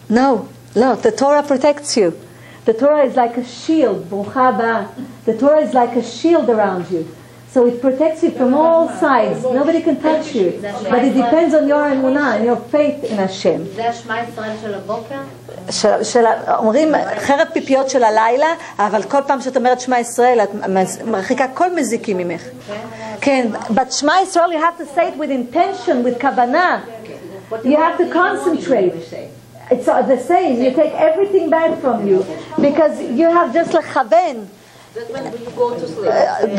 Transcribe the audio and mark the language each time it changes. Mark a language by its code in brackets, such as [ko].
[en] No, the Torah protects you. The Torah is like a shield. Brucha ba. The Torah is like a shield around you. So it protects you from all sides. Nobody can touch you. But it depends on your emunah, and your faith in Hashem. [he] זה השמע ישראל של הבוקר? אומרים, חרב פיפיות של הלילה, אבל כל פעם שאת אומרת שמע ישראל, את מרחיקה כל מזיקים ממך. [en] כן, but שמע ישראל, you have to say it with intention, with כוונה. You have to concentrate. It's the same. You take everything bad from you. Because you have just like chaven. That's when you go to sleep.